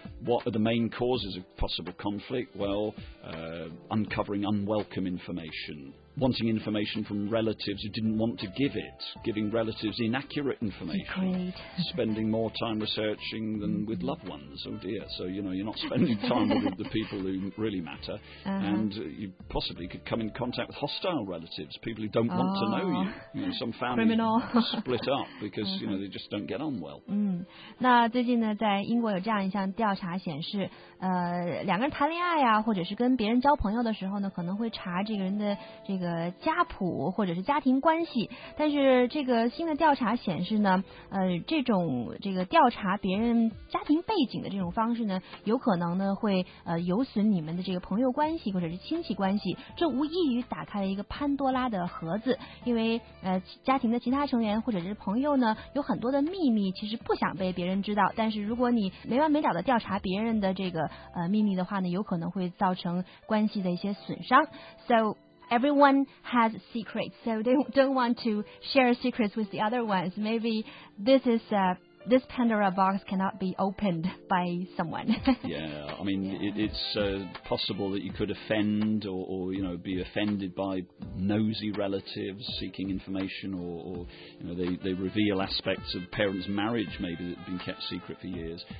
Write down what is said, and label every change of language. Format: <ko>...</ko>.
<en>What are the main causes of possible conflict? Well, uncovering unwelcome information, wanting information from relatives who didn't want to give it, giving relatives inaccurate information, spending more time researching than with loved ones. Oh dear, so you know, you're not spending time with the people who really matter, and you possibly could come in contact with hostile relatives, people who don't want to know you. You know, some families split up because you know, they just don't get on well.</en> <zh>那最近呢，在英国有这样一项调查显示，两个人谈恋爱啊，或者是跟别人交朋友的时候呢，可能会查这个人的这个家谱或者是家庭关系，但是这个新的调查显示呢，这种这个调查别人家庭背景的这种方式呢，有可能呢会有损你们的这个朋友关系或者是亲戚关系，这无异于打开了一个潘多拉的盒子，因为家庭的其他成员或者是朋友呢，有很多的秘密其实不想被别人知道，但是如果你没完没了的调查别人的这个秘密的话呢，有可能会造成关系的一些损伤。</zh> <en>So,everyone has secrets, so they don't want to share secrets with the other ones. Maybe this is this Pandora box cannot be opened by someone. Yeah, I mean, it's possible that you could offend or you know, be offended by nosy relatives seeking information, or you know, they reveal aspects of parents' marriage maybe that have been kept secret for years.</en>